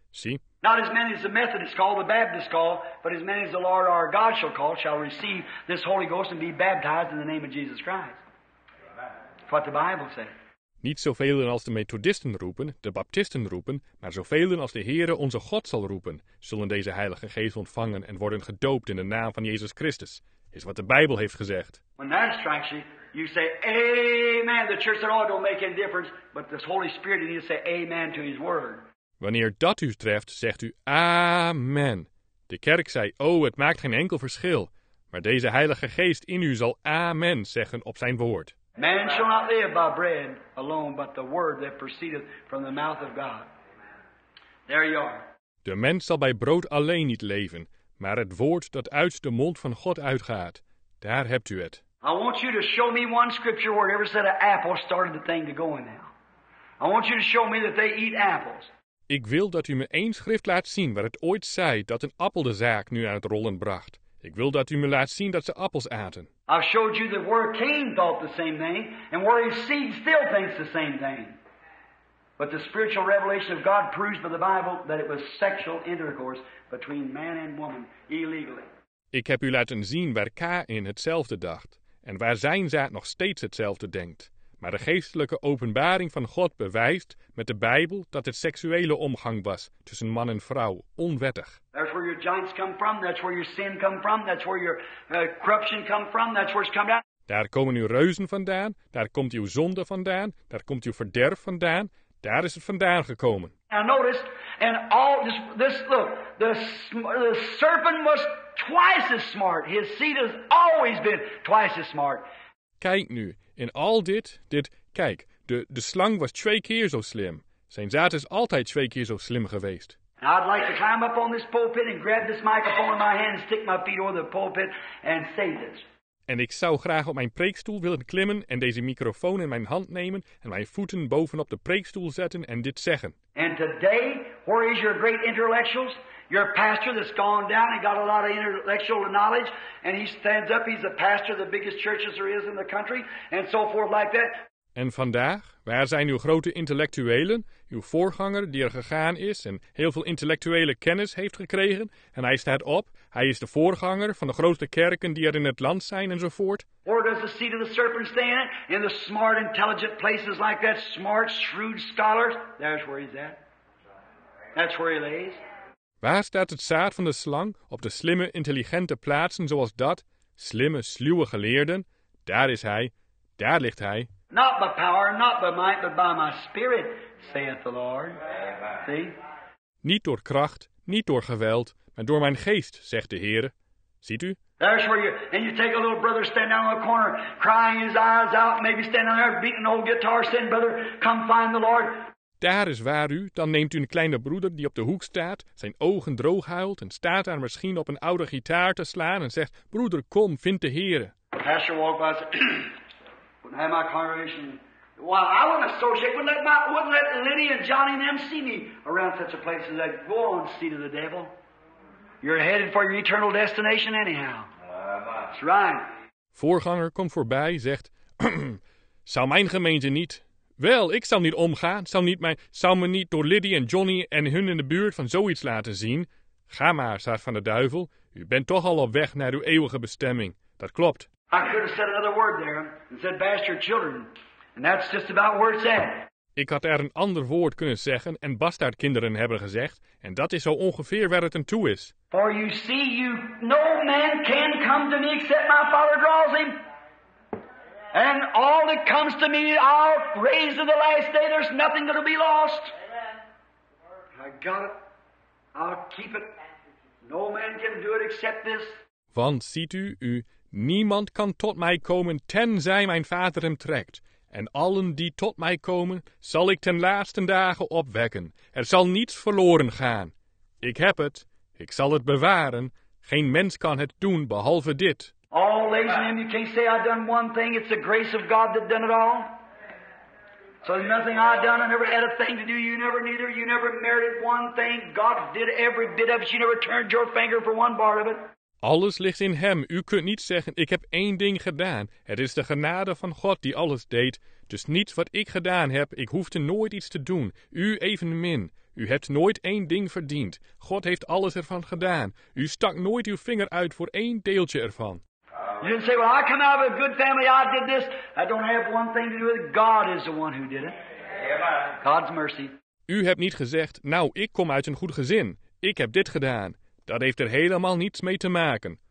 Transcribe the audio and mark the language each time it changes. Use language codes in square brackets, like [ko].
[en] See? Not as many as the Methodists call, the Baptists call, but as many as the Lord our God shall call, shall receive this Holy Ghost and be baptized in the name of Jesus Christ. That's what the Bible says. [nl] Niet zoveel als de Methodisten roepen, de Baptisten roepen, maar zoveel als de Heere onze God zal roepen, zullen deze Heilige Geest ontvangen en worden gedoopt in de naam van Jezus Christus. Is wat de Bijbel heeft gezegd. [en] When that strikes you, you say, Amen. The church said, oh, don't make any difference. But this Holy Spirit, you need to say, Amen to His Word. [nl] Wanneer dat u treft, zegt u, Amen. De kerk zei, oh, het maakt geen enkel verschil. Maar deze Heilige Geest in u zal Amen zeggen op zijn woord. [en] Man shall not live by bread alone, but the word that proceedeth from the mouth of God. There you are. [nl] De mens zal bij brood alleen niet leven, maar het woord dat uit de mond van God uitgaat. Daar hebt u het. [en] I want you to show me one scripture where it ever said an apple started the thing to go in now. I want you to show me that they eat apples. [nl] Ik wil dat u me één schrift laat zien waar het ooit zei dat een appel de zaak nu aan het rollen bracht. Ik wil dat u me laat zien dat ze appels aten. [en] I showed you that where Cain thought the same thing and where his seed still thinks the same thing. But the spiritual revelation of God proves by the Bible that it was sexual intercourse between man and woman illegally. [nl] Ik heb u laten zien waar Cain hetzelfde dacht en waar zijn zaad nog steeds hetzelfde denkt. Maar de geestelijke openbaring van God bewijst met de Bijbel dat het seksuele omgang was tussen man en vrouw onwettig. [en] That's where your giants come from, that's where your sin come from, that's where your corruption come from, that's where it's come down. [nl] Daar komen uw reuzen vandaan, daar komt uw zonde vandaan, daar komt uw verderf vandaan, daar is het vandaan gekomen. [en] Now notice, and all this look, the serpent was twice as smart. His seed has always been twice as smart. [nl] Kijk nu, in al dit, kijk, de slang was twee keer zo slim. Zijn zaad is altijd twee keer zo slim geweest. [en] I'd like to climb up on this pulpit and grab this microphone in my hand and stick my feet over the pulpit and say this. [nl] En ik zou graag op mijn preekstoel willen klimmen en deze microfoon in mijn hand nemen en mijn voeten bovenop de preekstoel zetten en dit zeggen. [en] And today, where is your great intellectuals? Your pastor that's gone down, he got a lot of intellectual knowledge, and he stands up, he's the pastor of the biggest churches there is in the country, and so forth like that. [nl] En vandaag, waar zijn uw grote intellectuelen, uw voorganger die er gegaan is en heel veel intellectuele kennis heeft gekregen, en hij staat op, hij is de voorganger van de grootste kerken die er in het land zijn enzovoort. [en] Where does the seat of the serpent stand? In the smart, intelligent places like that, smart, shrewd scholars, there's where he's at. That's where he lays. [nl] Waar staat het zaad van de slang op de slimme, intelligente plaatsen zoals dat? Slimme, sluwe geleerden? Daar is hij. Daar ligt hij. [en] Not by power, not by might, but by my spirit, saith the Lord. See? [nl] Niet door kracht, niet door geweld, maar door mijn geest, zegt de Heer. Ziet u? [en] There's where you, and you take a little brother standing down in the corner, crying his eyes out, maybe standing there beating an old guitar, saying, brother, come find the Lord. [nl] Daar is waar u, dan neemt u een kleine broeder die op de hoek staat, zijn ogen droog huilt en staat daar misschien op een oude gitaar te slaan en zegt, broeder, kom, vind de Heere. [en] Pastor walked by and said, have my congregation, well, I wouldn't associate, wouldn't let Lenny and Johnny and them see me around such a place as that. Go on, seat of the devil. You're headed for your eternal destination anyhow. That's right. [nl] Voorganger komt voorbij, zegt, zou mijn gemeente niet... Wel, ik zou niet omgaan, zou me niet door Liddy en Johnny en hun in de buurt van zoiets laten zien. Ga maar, zaad van de duivel, u bent toch al op weg naar uw eeuwige bestemming. Dat klopt. [en] I could have said another word there and said bastard children, and that's just about where it's at. [nl] Ik had er een ander woord kunnen zeggen en bastaardkinderen hebben gezegd, en dat is zo ongeveer waar het aan toe is. [en] For you see, no man can come to me except my father draws him. And all that comes to me, I'll raise to the last day. There's nothing that'll be lost. I got it. I'll keep it. No man can do it except this. [nl] Want ziet u, niemand kan tot mij komen tenzij mijn vader hem trekt. En allen die tot mij komen, zal ik ten laatste dagen opwekken. Er zal niets verloren gaan. Ik heb het. Ik zal het bewaren. Geen mens kan het doen behalve dit. [en] All ladies and gentlemen, you can't say I've done one thing. It's the grace of God that done it all. So there's nothing I've done. I never had a thing to do. You never neither. You never merited one thing. God did every bit of it. You never turned your finger for one part of it. [nl] Alles ligt in hem. U kunt niet zeggen, ik heb één ding gedaan. Het is de genade van God die alles deed. Dus niets wat ik gedaan heb, ik hoefde nooit iets te doen. U evenmin. U hebt nooit één ding verdiend. God heeft alles ervan gedaan. U stak nooit uw vinger uit voor één deeltje ervan. [en] You didn't say, well, I come out of a good family, I did this. I don't have one thing to do with it. God is the one who did it. God's mercy. [nl] U hebt niet gezegd, nou, ik kom uit een goed gezin. Ik heb dit gedaan. Dat heeft er helemaal niets mee te maken.